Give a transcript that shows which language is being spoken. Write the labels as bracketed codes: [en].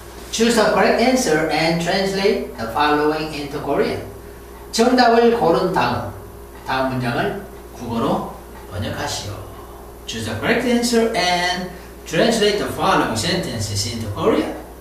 [en] Choose the correct answer and translate the following into Korean. [ko] 정답을 고른 다음 문장을 국어로 번역하시오. [en] Choose the correct answer and translate the following sentences into Korean.